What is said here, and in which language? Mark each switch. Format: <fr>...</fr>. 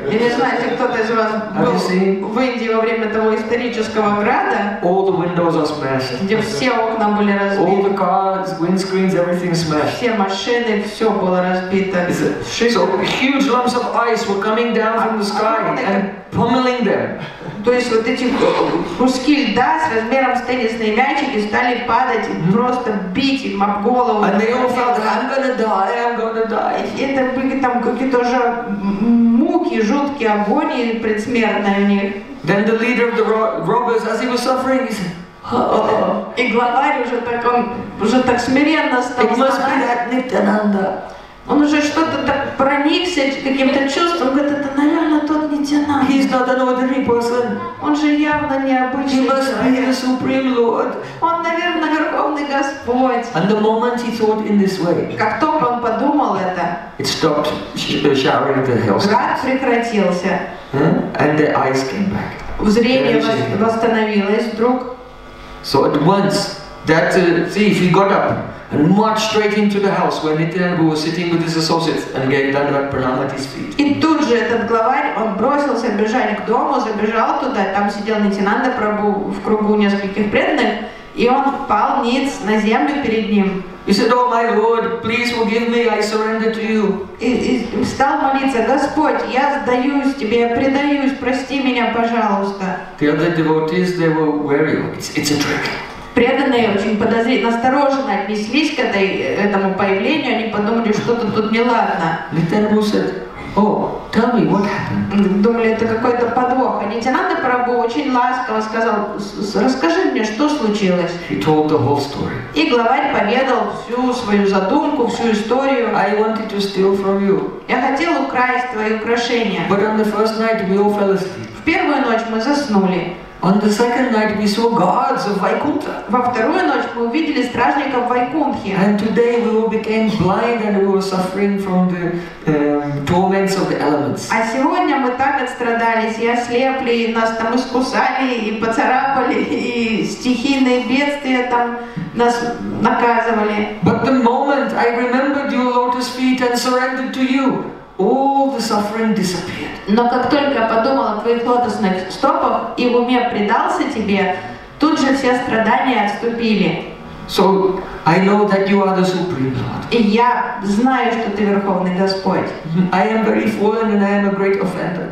<ru>Я не знаю, если кто-то из вас был в Индии во время того исторического града.</ru> <en>All the windows are smashed.</en> <ru>Где все окна были разбиты.</ru> <en>All the cars, windscreens, everything smashed.</en> <ru>Все машины, все было разбито.</ru> <en>So huge lumps of ice were coming down from the sky and pummeling them.</en> <ru>То есть вот эти куски льда с размером с теннисные мячики стали падать, просто бить их об голову.</ru> <en>And they all felt, I'm gonna die.</en> <ru>Это были там какие-то уже муки, жуткие агонии предсмертные у них.</ru> <en>Then the leader of the robbers, as he was suffering, he said,</en> <ru>И главарь уже так, он уже так смиренно стал.</ru> <en>It must be that Nityananda.</en> <ru>Он уже что-то так проникся каким-то чувством, говорит, это, наверное, тот Нитянанда.</ru> <en>He's not an ordinary person.</en> <ru>Он же явно необычный.</ru> <en>He must be the Supreme Lord.</en> <ru>Он, наверное, Верховный Господь.</ru> <en>And the moment he thought in this way,</en> <ru>как только он подумал это,</ru> <en>it stopped showering the hailstones.</en> <ru>Град прекратился.</ru> <en>And the eyes came back.</en> <ru>Зрение восстановилось вдруг.</ru> <en>So at once, that thief, he got up and marched straight into the house where Nityananda was sitting with his associates and gave Dandavat Pranam at his feet.</en> <ru>И тут же этот главарь, он бросился бежать к дому, забежал туда, там сидел Нитянанда Прабу в кругу нескольких преданных, и он пал ниц на землю перед ним.</ru> <en>He said, oh my Lord, please forgive me, I surrender to you.</en> <ru>И стал молиться, Господь, я сдаюсь тебе, я предаюсь, прости меня, пожалуйста.</ru> <en>The other devotees, they were wary, it's a trick.</en> <ru>Преданные очень подозрительно, осторожно отнеслись к этому появлению, они подумали, что-то тут неладно.</ru> <en>Nityananda said, oh, tell me what happened.</en> <ru>Думали, это какой-то подвох. А Нитянанда Прабху очень ласково сказал, расскажи мне, что случилось.</ru> <en>He told the whole story.</en> <ru>И главарь поведал всю свою задумку, всю историю.</ru> <en>I wanted to steal from you.</en> <ru>Я хотел украсть твои украшения.</ru> <en>But on the first night we all fell asleep.</en> <ru>В первую ночь мы заснули.</ru> <en>On the second night we saw guards of Vaikuntha.</en> <ru>Во вторую ночь мы увидели стражников Вайкунтхи.</ru> <en>And today we all became blind and we were suffering from the torments of the elements.</en> <ru>А сегодня мы так отстрадались, и ослепли, и нас там искусали, и поцарапали, и стихийные бедствия там нас наказывали.</ru> <en>But the moment I remembered your lotus feet and surrendered to you, all the suffering disappeared.</en> <ru>Но как только я подумал о твоих лотосных стопах и в уме предался тебе, тут же все страдания отступили.</ru> <en>So I know that you are the Supreme Lord.</en> <ru>И я знаю, что ты Верховный Господь.</ru> <en>I am very fallen and I am a great offender.</en>